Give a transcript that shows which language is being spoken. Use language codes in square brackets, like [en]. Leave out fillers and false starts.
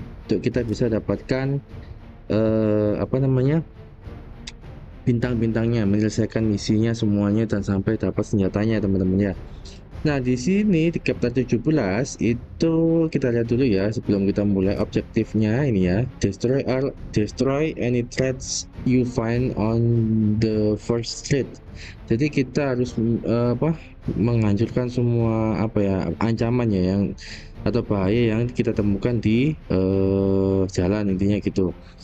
[id] Untuk kita bisa dapatkan apa namanya, bintang-bintangnya, menyelesaikan misinya semuanya dan sampai dapat senjatanya teman-teman ya. Nah, di sini di chapter 17 itu kita lihat dulu ya sebelum kita mulai objektifnya ini ya. [en] Destroy any threats you find on the first street. [id] Jadi kita harus apa? Menghancurkan semua apa ya, ancamannya yang atau bahaya yang kita temukan di jalan intinya gitu.